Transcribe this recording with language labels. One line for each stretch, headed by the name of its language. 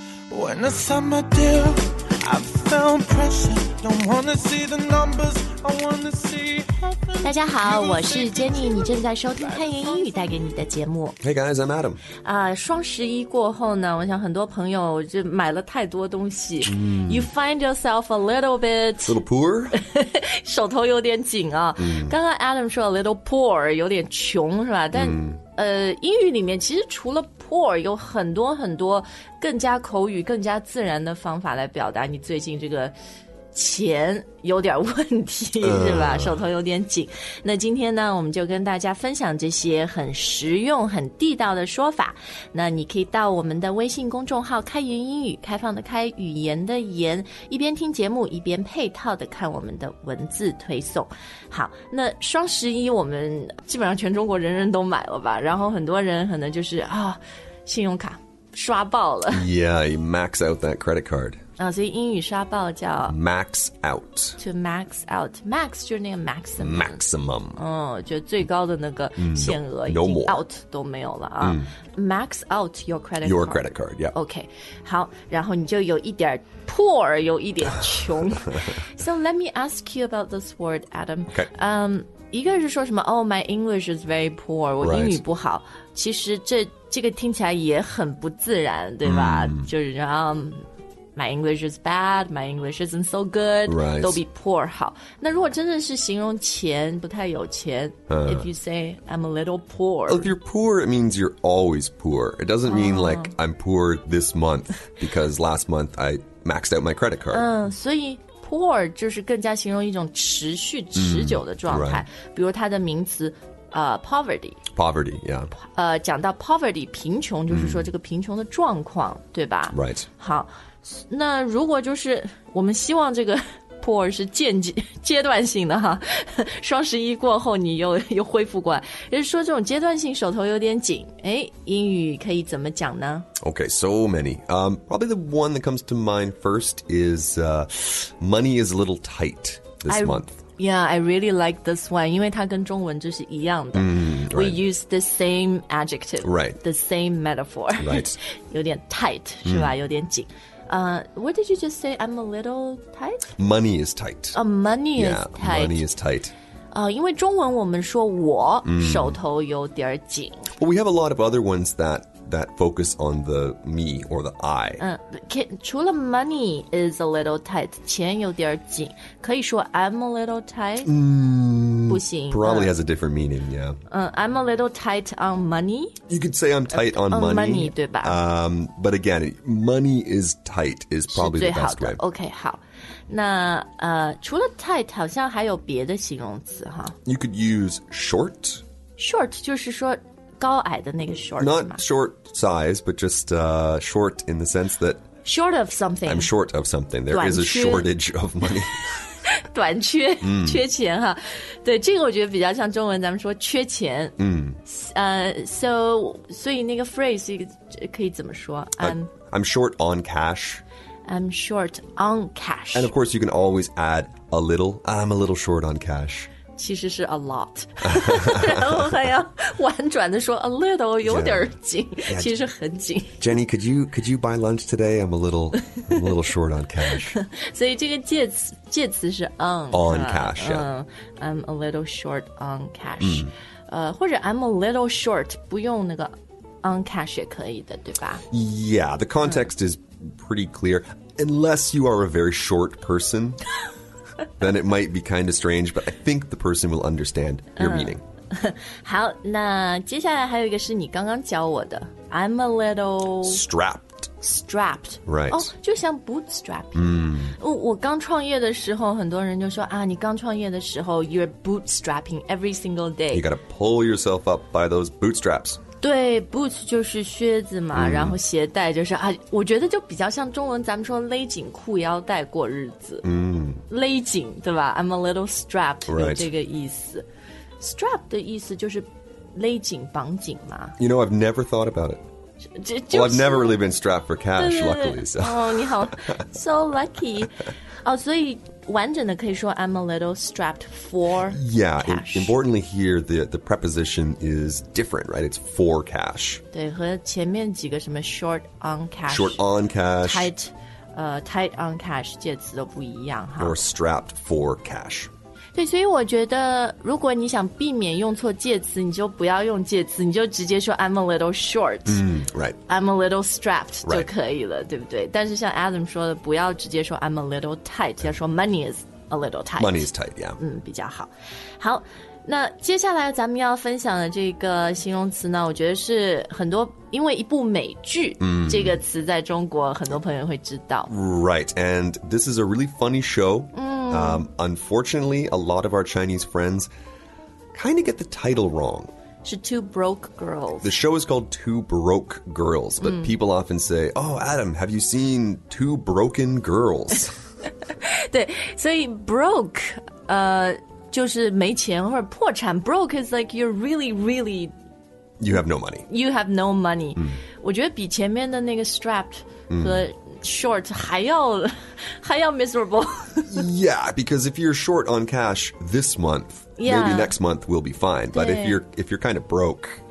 English: When I signed my deal, I felt pressure. Don't wanna see the numbers, I wanna see.
Chinese: 大家好，我是 Jenny， 你正在收听汉言英语带给你的节目。
English: Hey guys, I'm Adam。
Chinese: 双十一过后呢，我想很多朋友就买了太多东西。
English: You find yourself a little bit... A little poor?
Chinese: 手头有点紧啊。刚刚 Adam 说
English: a little poor,
Chinese: 有点穷是吧？但英语里面其实除了 poor, 有很多很多更加口语、更加自然的方法来表达你最近这个钱有点问题是吧手头有点紧那今天呢我们就跟大家分享这些很实用很地道的说法那你可以到我们的微信公众号开言英语开放的开语言的言一边听节目一边配套的看我们的文字推送好那双十一我们基本上全中国人人都买了吧然后很多人可能就是啊、哦，信用卡刷爆了
English: Yeah, you max out that credit card
Chinese: 所以英语刷爆叫
English: Max out To max out Max 就是那个 maximum Maximum
Chinese: 就最高的那个限额
English: No more Out 都没有了、Max out your credit card Your credit card, yeah
Chinese: OK 好然后你就有一点 poor 有一点穷
English: So let me ask you about this word, Adam Okay、
Chinese: 一个是说什么
English: Oh, my English is very poor
Chinese: 我英语不好、
English: right.
Chinese: 其实这个听起来也很不自然对吧、就是然后
English: My English is bad, my English isn't so good, right.
Chinese: 都比 poor 好。那如果真的是形容钱不太有钱、
English: if you say, I'm a little poor. If you're poor, it means you're always poor. It doesn't mean like, I'm poor this month, because last month I maxed out my credit card.
Chinese: 所以 poor 就是更加形容一种持续持久的状态。比如它的名词poverty.
English: Poverty, yeah.
Chinese: 讲到 poverty, 贫穷就是说这个贫穷的状况对吧
English: Right.
Chinese: 好。那如果就是我们希望这个 poor 是阶段性的哈，双十一过后你又恢复过来，说这种阶段性手头有点紧，哎，英语可以怎么讲呢
English: ？Okay, so many. Probably the one that comes to mind first is money is a little tight this month. Yeah, I really like this one,
Chinese: 因为它跟中文就是一样的。
English: Right. We use the same adjective, right? The same metaphor, right?
Chinese: 有点 tight 是吧？有点紧。
English: What did you just say? I'm a little tight? Money is tight. Money yeah, is tight. Money is tight.
Chinese: 因为中文我们说我手头有点紧。
English: Well, we have a lot of other ones that focus on the me or the I.
Chinese: 除了
English: money is a little tight,
Chinese: 钱有点紧。
English: 可以说 I'm a little tight?
Chinese: 不行。
English: Probably has a different meaning, yeah. I'm a little tight on money. You could say I'm tight on money. Money,
Chinese: 对吧。
English: But again, money is tight is probably the best way. Okay, 好。
Chinese: 那除了 tight, 好像还有别的形容词哈。
English: You could use short.
Chinese: Short 就是说高矮的那个 short
English: Not short size, but just short in the sense that... Short of something. I'm short of something. There is a shortage of money.
Chinese: 短缺,缺钱哈。对,这个我觉得比较像中文咱们说缺钱。所以那个 phrase 可以怎么说?
English: I'm short on cash. I'm short on cash. And of course, you can always add a little. I'm a little short on cash.
Chinese: 其实是 a lot 然后还要婉转地说 a little 有点紧
English: yeah. Yeah.
Chinese: 其实很紧
English: Jenny could you buy lunch today I'm a little short on cash
Chinese: 所以这个介词是
English: on cash、 I'm a little short on cash、或者 I'm a little short 不用那个 on cash 也可以的对吧 Yeah the context、is pretty clear unless you are a very short personThen it might be kind of strange, but I think the person will understand your meaning.
Chinese: 好，那接下来还有一个是你刚刚教我的。
English: I'm a little... Strapped. Strapped. Right.
Chinese: 就像 bootstrapping. 我刚创业的时候，很多人就说啊，你刚创业的时候 ，
English: you're bootstrapping every single day. You gotta pull yourself up by those bootstraps.
Chinese: 对 ，boots 就是靴子嘛，然后鞋带就是啊，我觉得就比较像中文咱们说勒紧裤腰带过日子，勒紧对吧 ？
English: I'm a little strapped，
Chinese: 有、
English: right.
Chinese: 这个意思。 Strap 的意思就是勒紧、绑紧嘛。
English: You know, I've never thought about it. Just, well, I've never really been strapped for cash, luckily. So. Oh, 你好 ，so lucky. 所以完整的可以说 I'm a little strapped for cash. Yeah, importantly here, the preposition is different, right? It's for cash.
Chinese: 对，和前面几个什么 short on cash.
English: Short on cash.
Chinese: Tight on cash 介词都不一样哈。
English: Or strapped for cash.
Chinese: 对，所以我觉得如果你想避免用错介词，你就不要用介词，你就直接说 I'm a little short、
English: mm, right. I'm a little strapped、right.
Chinese: 就可以了，对不对？但是像 Adam 说的，不要直接说
English: I'm a little tight、
Chinese: okay. 要说
English: money is a little tight. Money is tight, yeah.
Chinese: 嗯，比较好。好，那接下来咱们要分享的这个形容词呢，我觉得是很多，因为一部美剧、 mm. 这个词在中国很多朋友会知道。
English: Right, and this is a really funny show. Mm. Unfortunately, a lot of our Chinese friends kind of get the title wrong. It's Two Broke Girls. The show is called Two Broke Girls, but、mm. people often say, oh, Adam, have you seen Two Broken Girls?
Chinese: 对，所以 broke, 就是没钱或者破产。
English: Broke is like you're really, really... You have no money. You have no money.、
Chinese: Mm. 我觉得比前面的那个 strapped 和、mm.
English: Short 还要 miserable. Yeah, because if you're short on cash this month,、 yeah. maybe next month will be fine. But if you're kind of broke,